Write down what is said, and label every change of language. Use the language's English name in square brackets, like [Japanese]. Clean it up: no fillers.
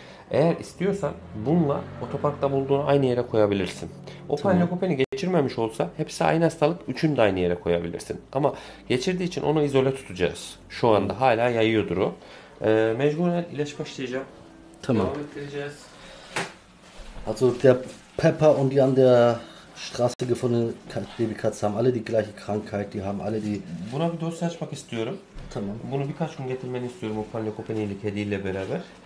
[Turkish] Eğer istiyorsan bununla otoparkta bulduğunu aynı yere koyabilirsin. O panleukopeni geçirmemiş olsa hepsi aynı hastalık, üçünü de aynı yere koyabilirsin. Ama geçirdiği için onu izole tutacağız. Şu anda hala yayıyordur o. Mecburen ilaç başlayacağım. Tamam. Devam ettireceğiz. [German] Also der Pepper und die an der Straße gefundene Katze haben alle die gleiche Krankheit, die haben alle die... [Turkish] Buna bir dosya açmak istiyorum. Tamam. Bunu birkaç gün getirmeni istiyorum o panleukopenili kediyle beraber.